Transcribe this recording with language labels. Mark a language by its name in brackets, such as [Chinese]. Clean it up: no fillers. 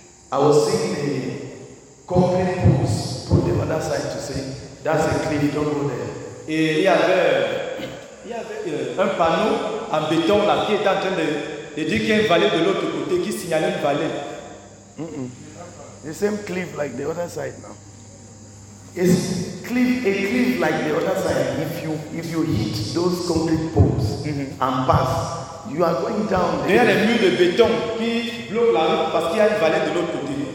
[English] I was seeing the concrete posts put the other side to say, that's a cliff, don't go there. [French] Et il y avait un panneau en béton là qui était en train de. Il dit qu'il y a une vallée de l'autre côté qui signale une vallée. Mm-mm. [English] The same cliff like the other side now. It's a cliff like the other side. If you hit those concrete poles and pass, you are going down. [French] Il y a des murs de béton qui bloquent la route parce qu'il y a une vallée de l'autre côté.